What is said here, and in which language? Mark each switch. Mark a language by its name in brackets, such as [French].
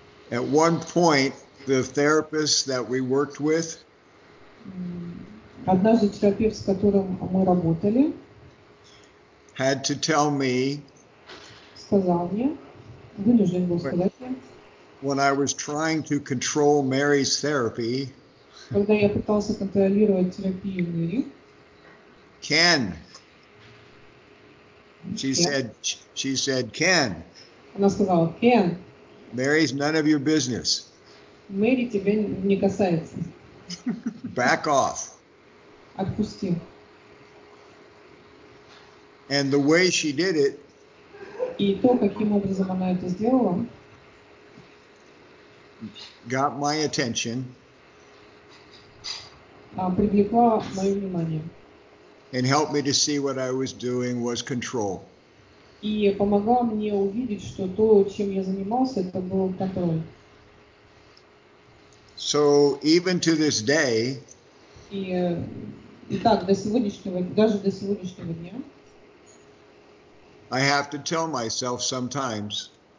[English] At one point, the therapist that we worked with, [Russian] однажды терапевт, с которым мы работали, [English] had to tell me, [Russian] сказал мне, вынужден был сказать мне, [English] when I was trying to control Mary's therapy, [Russian] когда я пытался контролировать терапию Мэри, [English] Ken, she said, Ken. [Russian] Она сказала, Ken. [English] Mary's none of your business. [Russian] Мэри тебя не касается. [English] Back off. [Russian] Отпусти. [English] And the way she did it, [Russian] и то, каким образом она это сделала, [English] got my attention. [Russian] Привлекла мое внимание. [English] And helped me to see what I was doing was control. [Russian] И помогла мне увидеть, что то, чем я занимался, это был контроль. [English] So even to this day, [Russian] и так даже до сегодняшнего дня. [English] I have to tell myself sometimes.